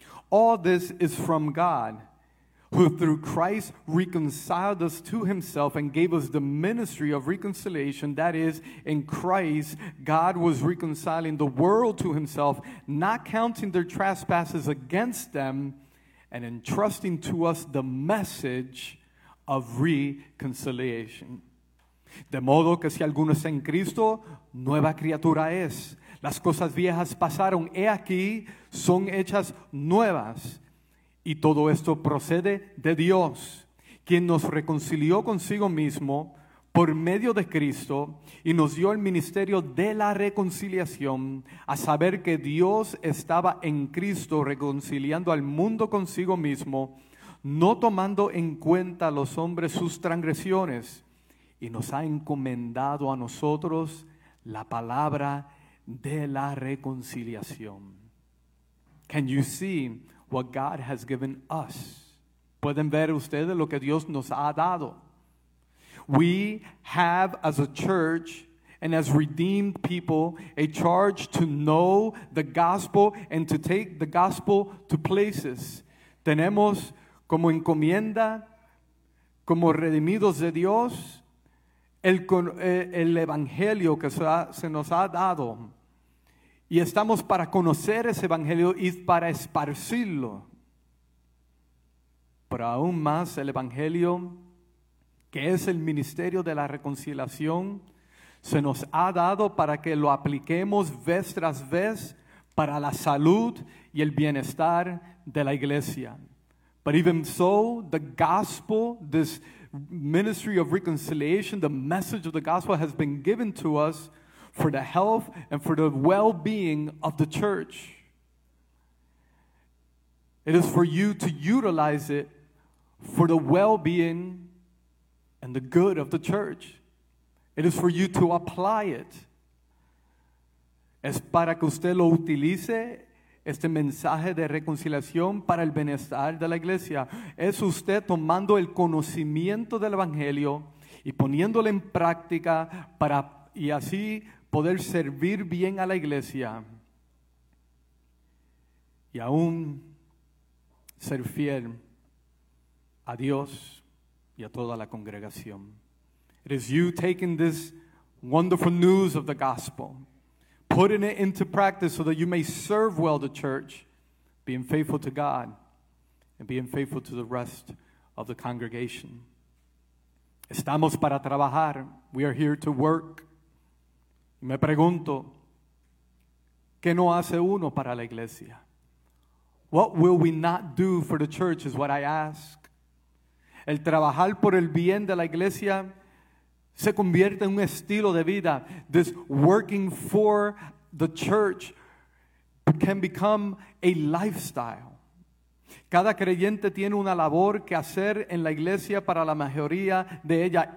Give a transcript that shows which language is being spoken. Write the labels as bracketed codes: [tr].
[en] All this is from God, who through Christ reconciled us to himself and gave us the ministry of reconciliation. That is, in Christ, God was reconciling the world to himself, not counting their trespasses against them, and entrusting to us the message of reconciliation. [es] De modo que si alguno está en Cristo, nueva criatura es. Las cosas viejas pasaron, he aquí, son hechas nuevas. Y todo esto procede de Dios, quien nos reconcilió consigo mismo por medio de Cristo y nos dio el ministerio de la reconciliación, a saber que Dios estaba en Cristo reconciliando al mundo consigo mismo, no tomando en cuenta a los hombres sus transgresiones, y nos ha encomendado a nosotros la palabra de la reconciliación. [en] Can you see what God has given us? [es] ¿Pueden ver ustedes lo que Dios nos ha dado? [en] We have, as a church and as redeemed people, a charge to know the gospel and to take the gospel to places. [es] Tenemos como encomienda, como redimidos de Dios, el evangelio que se nos ha dado. Y estamos para conocer ese evangelio y para esparcirlo. Pero aún más, el evangelio, que es el ministerio de la reconciliación, se nos ha dado para que lo apliquemos vez tras vez para la salud y el bienestar de la iglesia. [en] But even so, the gospel, this ministry of reconciliation, the message of the gospel has been given to us for the health and for the well-being of the church. It is for you to utilize it for the well-being and the good of the church. It is for you to apply it. [es] Es para que usted lo utilice, este mensaje de reconciliación, para el bienestar de la iglesia. Es usted tomando el conocimiento del evangelio y poniéndolo en práctica para, y así, poder servir bien a la iglesia y aún ser fiel a Dios y a toda la congregación. [en] It is you taking this wonderful news of the gospel, putting it into practice so that you may serve well the church, being faithful to God and being faithful to the rest of the congregation. [es] Estamos para trabajar. [en] We are here to work. [es] Me pregunto, ¿qué no hace uno para la iglesia? [en] What will we not do for the church is what I ask. [es] El trabajar por el bien de la iglesia se convierte en un estilo de vida. [en] This working for the church can become a lifestyle. [es] Cada creyente tiene una labor que hacer en la iglesia para la mayoría de ella.